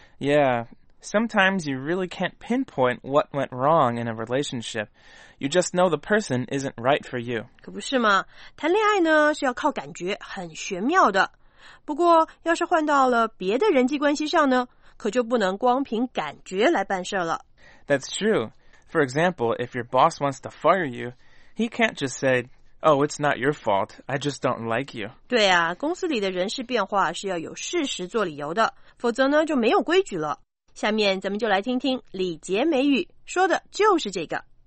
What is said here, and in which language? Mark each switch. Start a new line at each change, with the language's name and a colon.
English: Yeah, sometimes you really can't pinpoint what went wrong in a relationship. You just know the person isn't right for you.
Chinese: 可不是吗？谈恋爱呢是要靠感觉，很玄妙的。不过要是换到了别的人际关系上呢，可就不能光凭感觉来办事了。
English: That's true. For example, if your boss wants to fire you, he can't just say, oh, it's not your fault, I just don't like you.
Chinese: 对啊，公司里的人事变化是要有事实做理由的，否则呢就没有规矩了。下面咱们就来听听李杰美语说的就是这个。